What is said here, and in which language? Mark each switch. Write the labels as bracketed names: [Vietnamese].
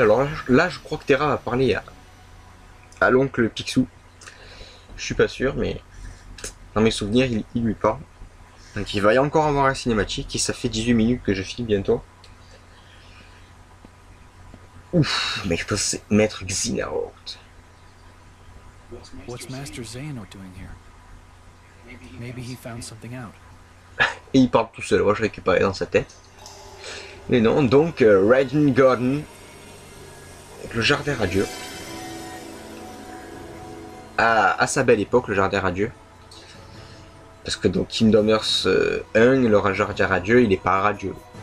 [French] Alors là, je crois que Terra va parler à l'oncle Picsou. Je suis pas sûr, mais dans mes souvenirs, il lui parle. Donc il va y encore avoir un cinématique et ça fait 18 minutes que je file bientôt. Ouf, mais ça c'est Maître Xehanort. [English] What's Master Xehanort doing here? Maybe he found something out. [French] Et il parle tout seul, moi je récupérais dans sa tête. Mais non, donc Radiant Garden. Le jardin radieux. À sa belle époque, le jardin radieux. Parce que dans Kingdom Hearts 1, le jardin radieux, il est pas radieux.